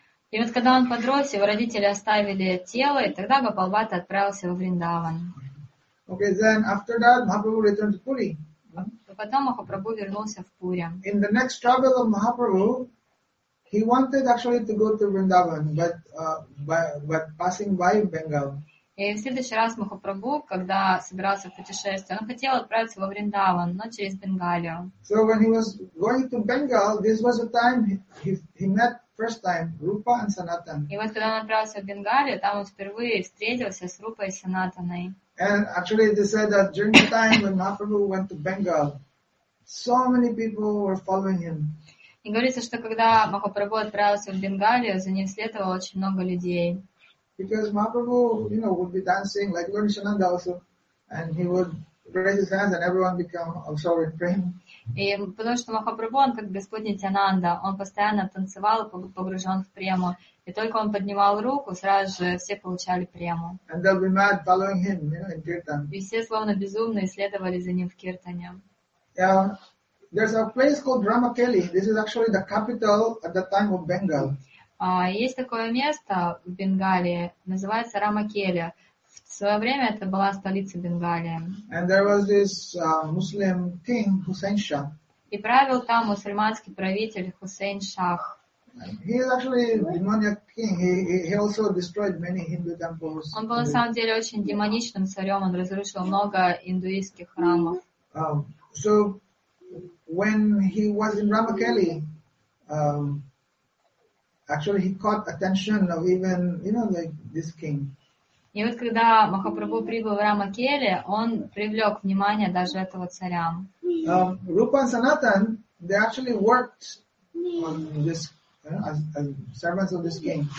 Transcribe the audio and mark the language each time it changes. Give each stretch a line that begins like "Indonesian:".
Russian: И вот когда он подрос, его родители оставили тело, и тогда Гопал Бхатта отправился в Вриндаван.
English: Okay, then after that, Mahaprabhu returned to Puri.
Russian: Потом Махапрабху вернулся в Пури.
English: In the next travel of Mahaprabhu, he wanted actually to go to Vrindavan, but passing by Bengal.
Russian: И в следующий раз Махапрабху, когда собирался в путешествие, он хотел отправиться во Вриндаван, но через Бенгалию.
English: So when he was going to Bengal, this was the time he met first time Rupa and Sanatan.
Russian: И вот когда он отправился в Бенгалию, там он впервые встретился с Рупой и Санатаной.
English: And actually, they said that during the time when Mahaprabhu went to Bengal, so many people were following him.
Russian: И говорится, что когда Махапрабху отправился в Бенгалию, за ним следовало очень много людей.
English: Because Mahaprabhu, you know, would be dancing like Lord Nishananda also, and he would raise his hand and everyone become absorbed in him.
Russian: И потому что Махапрабху, он как Господь Нитьянанда, он постоянно танцевал, погружен в прему. И только он поднимал руку, сразу же все получали прему.
English: And they'll be mad following him, you know, in kirtan.
Russian: И все словно безумные следовали за ним в киртане.
English: There's a place called Ramakeli. This is actually the capital at the time of Bengal.
Russian: Есть такое место в Бенгалии, называется Рамакеля. В свое время это была столица Бенгалии.
English: And there was this Muslim king, Hussein Shah.
Russian: И правил там мусульманский правитель Хусейн Шах.
English: He is actually a demonic king. He also destroyed many Hindu temples.
Russian: Он был на самом деле очень демоничным царем. Он разрушил много индуистских храмов.
English: So when he was in Ramakeli, actually, he caught attention of even, you know, like this king.
Russian: И вот когда Махапрабху прибыл в Рамакели, он привлек внимание даже этого царя.
English: Rupa and Sanatan, they actually worked on this, as servants of this king.